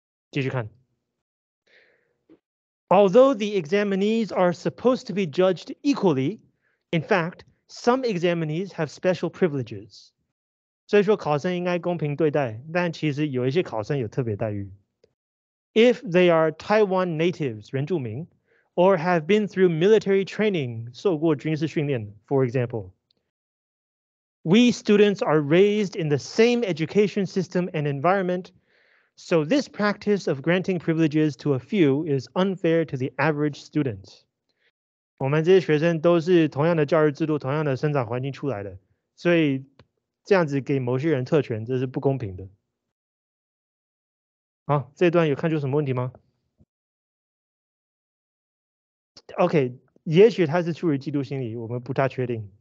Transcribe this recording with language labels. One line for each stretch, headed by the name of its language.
Chinese: 继续看。
English: Although the examinees are supposed to be judged equally, in fact, some examinees have special privileges.
Chinese: 所以说考生应该公平对待，但其实有一些考生有特别待遇。
English: If they are Taiwan natives,
Chinese: 原住民
English: ,or have been through military training,
Chinese: 受过军事训练
English: ,for example,We students are raised in the same education system and environment, so this practice of granting privileges to a few is unfair to the average student.
Chinese: 我们这些学生都是同样的教育制度、同样的生长环境出来的，所以这样子给某些人特权，这是不公平的。好，这段有看出什么问题吗？OK， 也许他是出于嫉妒心理，我们不太确定。